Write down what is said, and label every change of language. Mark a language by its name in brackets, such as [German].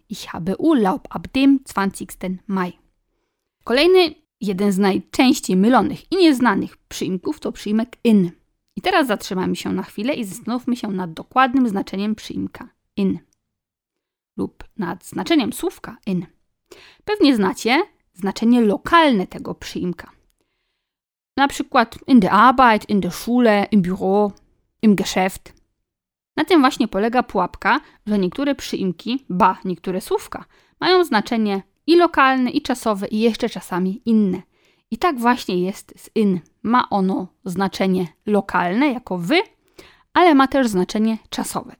[German] Ich habe Urlaub ab dem 20. Mai. [Polish] Kolejny, jeden z najczęściej mylonych i nieznanych przyimków to przyimek in. I teraz zatrzymamy się na chwilę i zastanówmy się nad dokładnym znaczeniem przyimka in. Lub nad znaczeniem słówka in. Pewnie znacie znaczenie lokalne tego przyimka. Na przykład [German] in der Arbeit, in der Schule, im Büro, im Geschäft. [Polish] Na tym właśnie polega pułapka, że niektóre przyimki, ba, niektóre słówka, mają znaczenie i lokalne, i czasowe, i jeszcze czasami inne. I tak właśnie jest z in. Ma ono znaczenie lokalne, jako wy, ale ma też znaczenie czasowe.